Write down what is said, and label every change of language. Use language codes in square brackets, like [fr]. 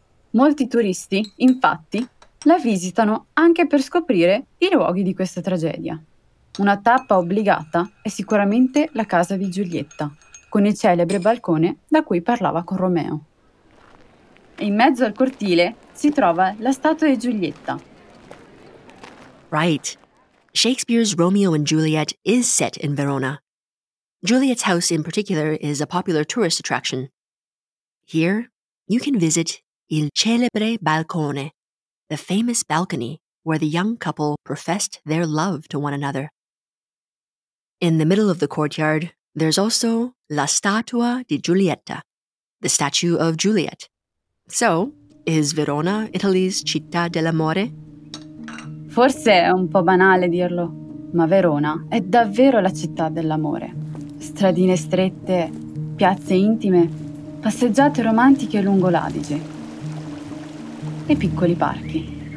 [it] Molti turisti, infatti, la visitano anche per scoprire i luoghi di questa tragedia. Una tappa obbligata è sicuramente la casa di Giulietta, con il celebre balcone da cui parlava con Romeo. E in mezzo al cortile si trova la statua di Giulietta. [en] Right. Shakespeare's Romeo and Juliet is set in Verona. Juliet's house in particular is a popular tourist attraction. Here, you can visit [it] il celebre balcone, [en] the famous balcony where the young couple professed their love to one another. In the middle of the courtyard, there's also [it] la statua di Giulietta, [en] the statue of Juliet. So, is Verona Italy's [it] città dell'amore? Forse è un po' banale dirlo, ma Verona è davvero la città dell'amore. Stradine strette, piazze intime, passeggiate romantiche lungo l'Adige e piccoli parchi.